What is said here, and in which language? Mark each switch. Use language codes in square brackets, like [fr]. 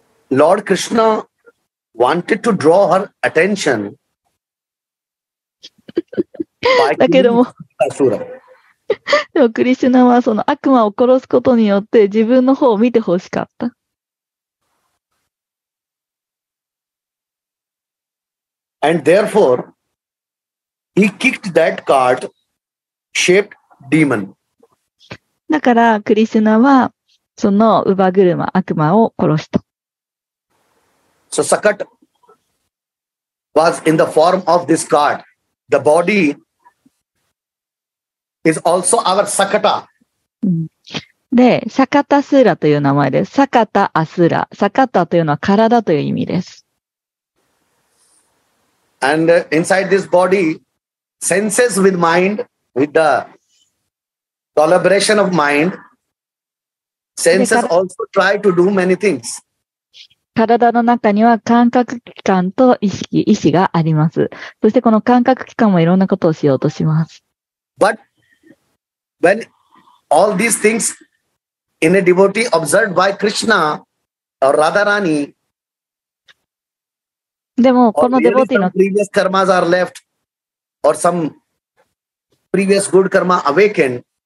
[en] Lord Krishna wanted to draw her attention. [ja] だけども、でもクリシュナはその悪魔を殺すことによって自分の方を見てほしかった。 [en] And therefore, he kicked that card shaped demon. [ja] だからクリシュナはそのウバグルマ悪魔を殺した。 [en] So Sakat was in the form of this card. The body is also our Sakata. [ja] で、サカタスーラという名前です。サカタアスーラ。サカタというのは体という意味です。 [en] And inside this body, senses with mind, with the collaboration of mind, senses also try to do many things. [ja] 体の中には感覚器官と意識があります。そしてこの感覚器官もいろんなことをしようとします。 [en] But when all these things in a devotee observed by Krishna or Radharani, [ja] でもこのデボティの [en] previous karmas are left or some previous good karma awakened.